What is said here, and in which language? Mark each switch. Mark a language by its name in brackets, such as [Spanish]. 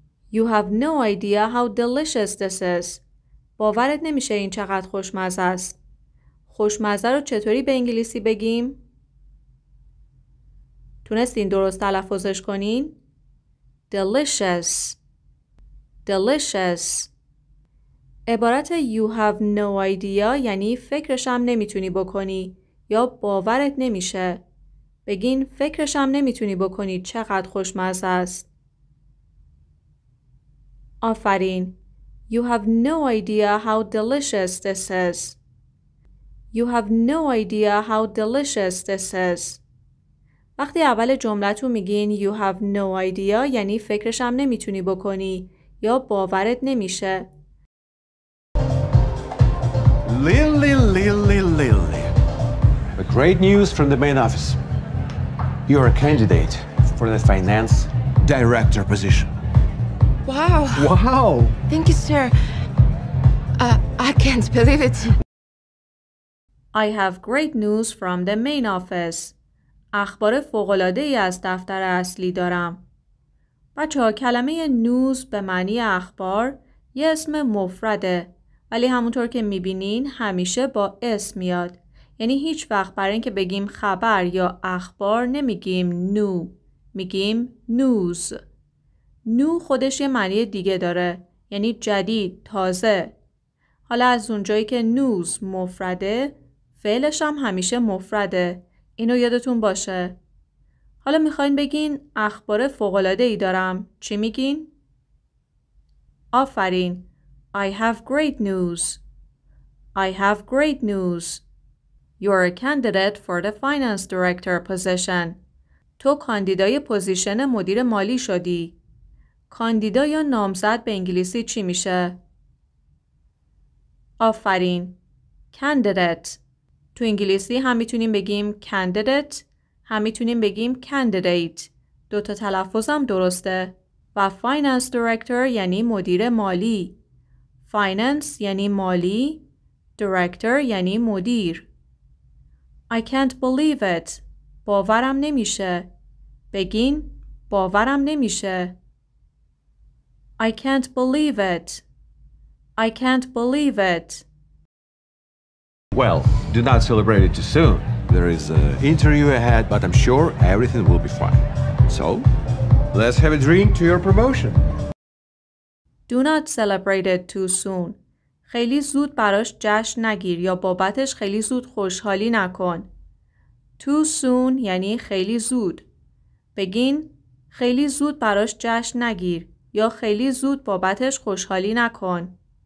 [English] You have no idea how delicious this is. [Persian] باورت نمیشه این چقدر خوشمزه است. خوشمزه رو چطوری به انگلیسی بگیم؟ تونستین درست تلفظش کنین؟ Delicious. [English] Delicious. [Persian] عبارت [English] you have no idea [Persian] یعنی فکرشم نمیتونی بکنی یا باورت نمیشه. بگین فکرشم نمیتونی بکنی چقدر خوشمزه است. آفرین. [English] You have no idea how delicious this is. You have no idea how delicious this is. [Persian] وقتی اول جملتو میگین [English] you have no idea [Persian] یعنی فکرشم نمیتونی بکنی یا باورت نمیشه. [English] Lily, Lily, Lily. The great news from the main office. You are a candidate for the finance director position. Wow. Wow. Thank you, sir. I can't believe it. I have great news from the main office. [Persian] اخبار فوق‌العاده‌ای از دفتر اصلی دارم. بچه ها، کلمه news به معنی اخبار یه اسم مفرده. ولی همونطور که میبینین همیشه با اسم میاد. یعنی هیچ وقت برای این که بگیم خبر یا اخبار نمیگیم نو. میگیم نوز. نو خودش یه معنی دیگه داره. یعنی جدید، تازه. حالا از اونجایی که نوز مفرده، فعلش هم همیشه مفرده. اینو یادتون باشه. حالا میخواین بگین اخبار فوق‌العاده‌ای دارم. چی میگین؟ آفرین. [English] I have great news. I have great news. You are a candidate for the finance director position. [Persian] تو کاندیدای پوزیشن مدیر مالی شدی. کاندیدا یا نامزد به انگلیسی چی میشه؟ آفرین. Candidate. تو انگلیسی هم میتونیم بگیم candidate، هم میتونیم بگیم candidate. دوتا تلفظم درسته. و finance director یعنی مدیر مالی. Finance یعنی مالی، director یعنی مدیر. [English] I can't believe it. [Persian] باورم نمیشه. بگین باورم نمیشه. [English] I can't believe it. I can't believe it. Well, do not celebrate it too soon. There is an interview ahead, but I'm sure everything will be fine. So, let's have a drink to your promotion. Do not celebrate it too soon. [Persian] خیلی زود براش جشن نگیر یا بابتش خیلی زود خوشحالی نکن. Too soon یعنی خیلی زود. بگین خیلی زود براش جشن نگیر یا خیلی زود بابتش خوشحالی نکن.